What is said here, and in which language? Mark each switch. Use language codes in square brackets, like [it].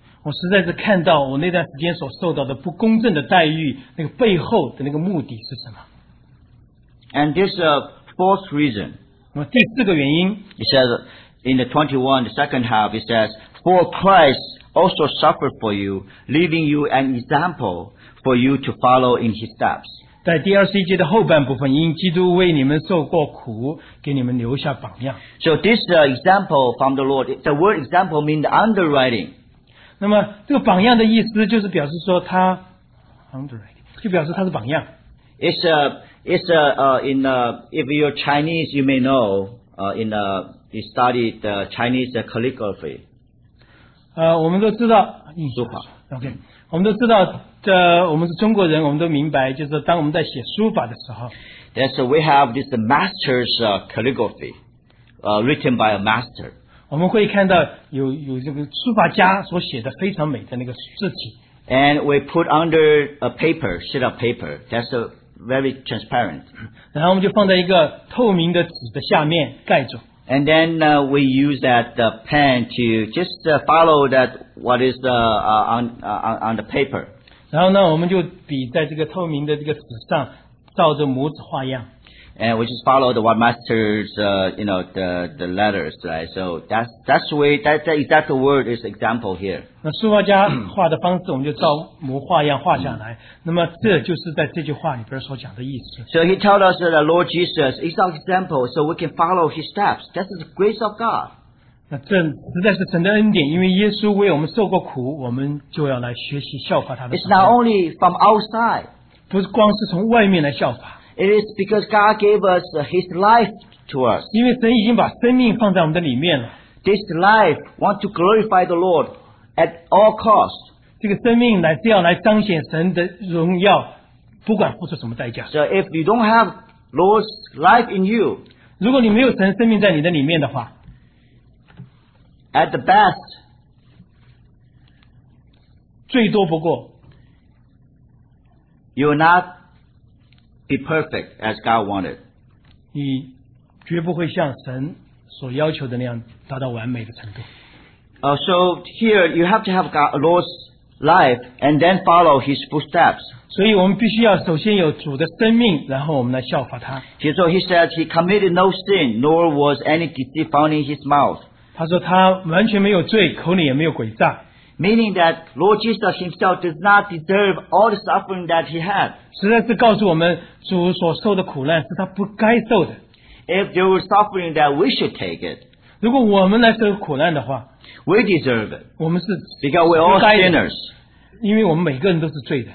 [zh] 我实在是看到我那段时间所受到的不公正的待遇，那个背后的那个目的是什么。 [en] And this is a fourth reason. [zh] 第四个原因。 [en] It says in the 21, the second half, it says, For Christ also suffered for you, leaving you an example. For you to follow in his steps. [zh] 在第二十一节的后半部分，因基督为你们受过苦，给你们留下榜样。 [en] So this example from the Lord, the word example means the underwriting. [zh] 那么这个榜样的意思就是表示说他 underwriting 就表示他是榜样。 [en] If you're Chinese, you may know you studied the Chinese calligraphy. [zh] 我们都知道书法。 OK, 我们都知道。我们是中国人，我们都明白，就是当我们在写书法的时候 [en] ，That's we have this master's calligraphy, written by a master. [zh] 我们会看到有这个书法家所写的非常美的那个字体。 [en] And we put under a paper, sheet of paper. That's very transparent. [zh] 然后我们就放在一个透明的纸的下面盖住。 [en] And then we use that pen to just follow that what is on the paper. [zh] 然后呢，我们就比在这个透明的这个纸上照着模子画样。 [en] And we just follow the one master's, you know, the letters, right? So that's exact the word is example here. [zh] 那书法家画的方式，我们就照模画样画下来。那么这就是在这句话里边所讲的意思。 [en] So he told us that the Lord Jesus is our example, so we can follow his steps. That's the grace of God. [zh] 那这实在是神的恩典，因为耶稣为我们受过苦，我们就要来学习效法他的。 [en] It's not only from outside, [zh] 不是光是从外面来效法。 [en] It is because God gave us His life to us. [zh] 因为神已经把生命放在我们的里面了。 [en] This life wants to glorify the Lord at all costs. [zh] 这个生命乃是要来彰显神的荣耀，不管付出什么代价。 [en] So if you don't have Lord's life in you, [zh] 如果你没有神生命在你的里面的话。 [en] At the best, [zh] 最多不过 [en] you will not be perfect as God wanted. [zh] 你绝不会像神所要求的那样达到完美的程度。 [en] So here you have to have God, Lord's life and then follow His footsteps. [zh] 所以我们必须要首先有主的生命，然后我们来效法他。 [en] So he said he committed no sin, nor was any deceit found in his mouth. [zh] 他说他完全没有罪，口里也没有诡诈。 [en] Meaning that Lord Jesus Himself does not deserve all the suffering that He had. [zh] 实在是告诉我们，主所受的苦难是他不该受的。 [en] If there was suffering that we should take it. [zh] 如果我们来受苦难的话 [en] ，We deserve it. [zh] 我们是 [en] Because we're all sinners. [zh] 因为我们每个人都是罪的。